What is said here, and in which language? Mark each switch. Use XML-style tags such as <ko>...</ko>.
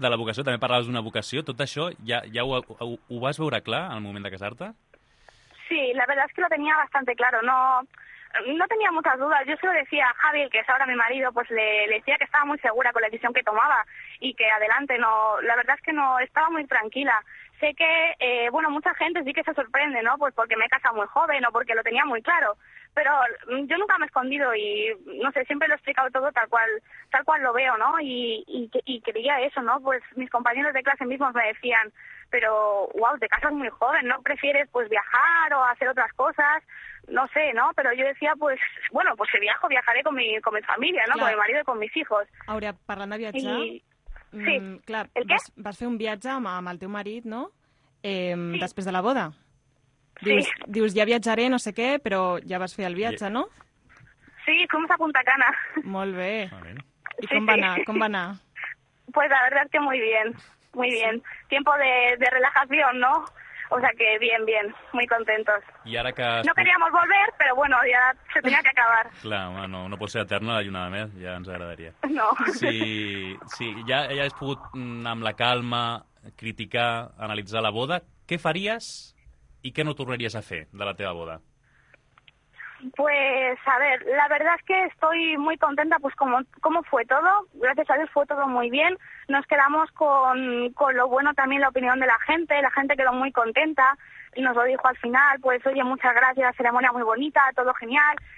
<ca>De la vocació, també parlaves d'una vocació, tot això ja ho vas veure clar al moment de casar-te?</ca> <es>Sí, la verdad es que lo tenía bastante claro, no tenía muchas dudas. Yo se lo decía a Javi, que es ahora mi marido, pues le decía que estaba muy segura con la decisión que tomaba y que adelante, no, la verdad es que no estaba muy tranquila. Sé que, bueno, mucha gente sí que se sorprende, ¿no? Pues porque me he casado muy joven o porque lo tenía muy claro. Pero yo nunca me he escondido y, no sé, siempre lo he explicado todo tal cual lo veo, ¿no? Y creía eso, ¿no? Pues mis compañeros de clase mismos me decían, pero, wow, te casas muy joven, ¿no? ¿Prefieres, pues, viajar o hacer otras cosas? No sé, ¿no? Pero yo decía, pues, bueno, pues si viajo, viajaré con mi familia, ¿no? Clar. Con mi marido y con mis hijos.</es> <ca>Àurea, parlant de viatjar... Sí, clar, ¿el qué? Vas fer un viatge amb el teu marit, ¿no? Sí. Després de la boda. Sí. Dius, ja viatjaré, no sé què, però ja vas fer el viatge, ¿no?</ca> <es>Sí, fuimos a Punta Cana.</es> <ca>Molt bé. Sí, ¿y com, sí, va anar? Com va anar?</ca> <es>Pues la verdad es que muy bien. Muy bien. Sí. Tiempo de relajación, ¿no? O sea que bien, bien. Muy contentos.</es> <ca>I ara que...</ca> <es>No queríamos volver, pero bueno, ya se tenía que acabar.</es> <ca>Clar, home, no pot ser eterna la lluna de mel, ja ens agradaria. No. Sí, ja has pogut, amb la calma, criticar, analitzar la boda. Què faries i què no tornaries a fer de la teva boda?</ca> <es>Pues, a ver, la verdad es que estoy muy contenta, pues como fue todo. Gracias a Dios fue todo muy bien. Nos quedamos con lo bueno también, la opinión de la gente quedó muy contenta y nos lo dijo al final, pues oye, muchas gracias, ceremonia muy bonita, todo genial.</es>